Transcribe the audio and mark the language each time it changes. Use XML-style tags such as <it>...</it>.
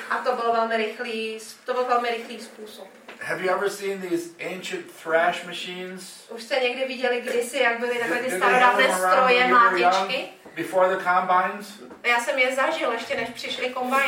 <cs>A to byl velmi rychlý způsob.</cs> <en>Have you ever seen these ancient thrash machines?</en> <cs>Už jste někdy viděli kdysi, jak byly takové ty starodávné stroje mlátičky?</cs> <en>Before the combines?</en> <cs>Já jsem je zažil, ještě než přišly kombajny.</cs>